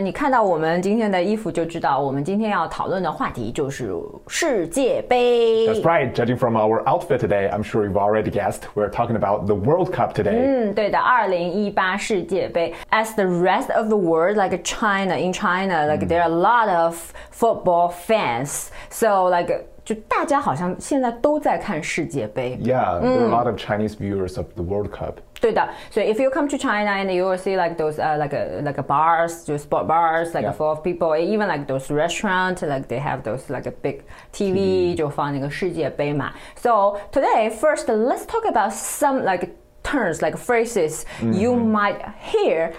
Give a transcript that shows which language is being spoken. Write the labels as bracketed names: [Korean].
[Chinese] 你看到我们今天的衣服就知道，我们今天要讨论的话题就是世界杯。 [English] That's right. Judging from our outfit today, I'm sure you've already guessed we're talking about the World Cup today. [Chinese] 对的，2018世界杯。 [English] As the rest of the world, like China, in China, like there are a lot of football fans. So like. [Chinese] 就大家好像现在都在看世界杯。 [English] Yeah, there are a lot of Chinese viewers of the World Cup. [Chinese] 对的，所以 [English] if you come to China and you will see like those like bars, just sport bars, like full of people, even like those restaurants, like they have those like a big TV, [Chinese] 就放那个世界杯嘛。 [English] So today, first, let's talk about some like terms, like phrases you might hear.